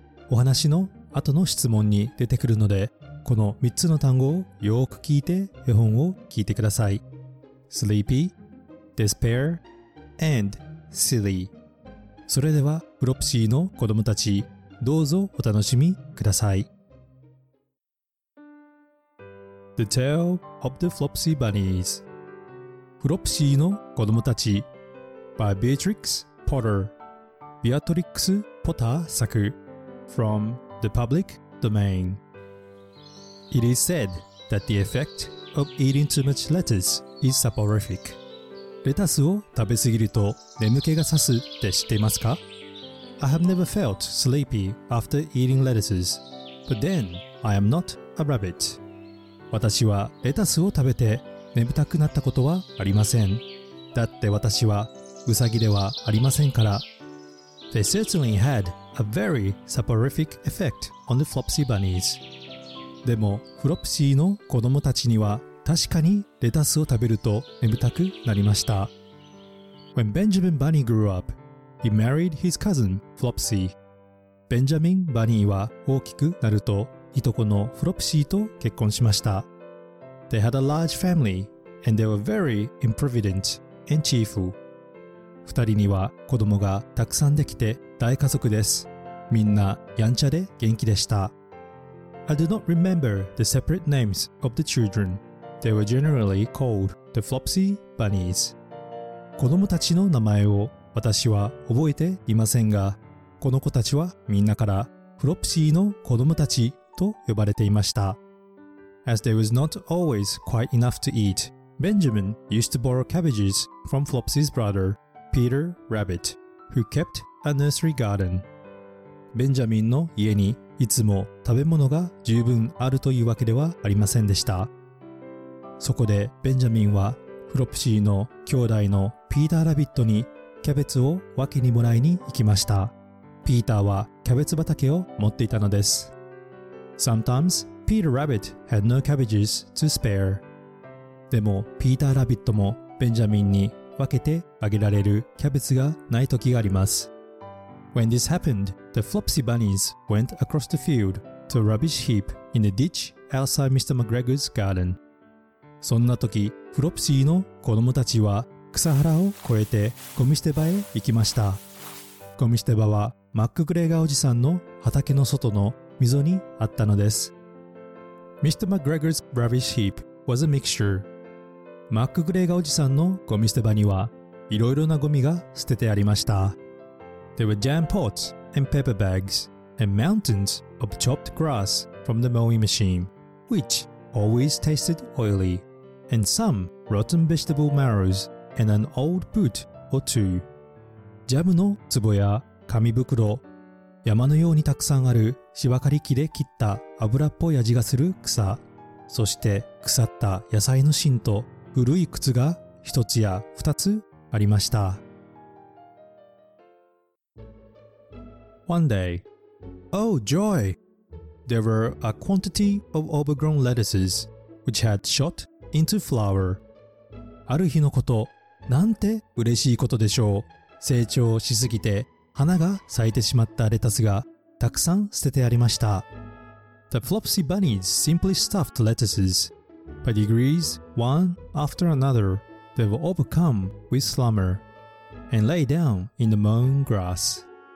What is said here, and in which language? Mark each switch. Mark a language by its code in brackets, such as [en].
[ja] お話の後の質問に出てくるので、この3つの単語をよく聞いて絵本を聞いてください。 [en] Sleepy, Despair, and Silly。 [ja] それではフロプシーの子供たち、どうぞお楽しみください。 [en] The Tale of the Flopsy Bunnies、 [ja] フロプシーの子供たち、 [en] By Beatrix Potter、 ビアトリックス・ポター作、 From the public domain. It is said that the effect of eating too much lettuce is soporific. [ja] レタスを食べすぎると眠気がさすって知っていますか? [en] I have never felt sleepy after eating lettuces, but then I am not a rabbit. [ja] 私はレタスを食べて眠たくなったことはありません。だって私はウサギではありませんから。 [en] They certainly had a very soporific effect on the Flopsy Bunnies. [ja] でも、フロプシーの子供たちには確かにレタスを食べると眠たくなりました。 [en] When Benjamin Bunny grew up, he married his cousin Flopsy. [ja] Benjamin Bunny は大きくなると、いとこのフロプシーと結婚しました。 [en] They had a large family, and they were very improvident and cheerful. [ja] 二人には子供がたくさんできて大家族です。みんなやんちゃで元気でした。 [en] I do not remember the separate names of the children. They were generally called the Flopsy Bunnies. [ja] 子供たちの名前を私は覚えていませんが、この子たちはみんなからフロプシーの子供たちと呼ばれていました。 [en] As there was not always quite enough to eat, Benjamin used to borrow cabbages from Flopsy's brother. Peter Rabbit, who kept a nursery garden. [ja] ベンジャミンの家にいつも食べ物が十分あるというわけではありませんでした。そこでベンジャミンはフロプシーの兄弟のピーターラビットにキャベツを分けにもらいに行きました。ピーターはキャベツ畑を持っていたのです。 [en] Sometimes Peter Rabbit had no cabbages to spare. [ja] でもピーターラビットもベンジャミンに分けてあげられるキャベツがない時があります。 [en] When this happened, the Flopsy Bunnies went across the field to a rubbish heap in the ditch outside Mr. McGregor's garden. [ja] そんな時、フロプシーの子供たちは草原を越えてゴミ捨て場へ行きました。ゴミ捨て場はマックグレーガーおじさんの畑の外の溝にあったのです。 [en] Mr. McGregor's rubbish heap was a mixture. [ja] マックグレーガーおじさんのゴミ捨て場にはいろいろなゴミが捨ててありました。 [en] There were jam pots and paper bags and mountains of chopped grass from the mowing machine, which always tasted oily, and some rotten vegetable marrows and an old boot or two. [ja] ジャムの壺や紙袋、山のようにたくさんある芝刈り機で切った油っぽい味がする草、そして腐った野菜の芯と古い靴が一つや二つありました。 [en] One day, oh joy! There were a quantity of overgrown lettuces which had shot into flower. [ja] ある日のこと、なんて嬉しいことでしょう。成長しすぎて花が咲いてしまったレタスがたくさん捨ててありました。 [en] The Flopsy Bunnies simply stuffed lettuces. By degrees, one after another, they were overcome with slumber and lay down in the mown grass.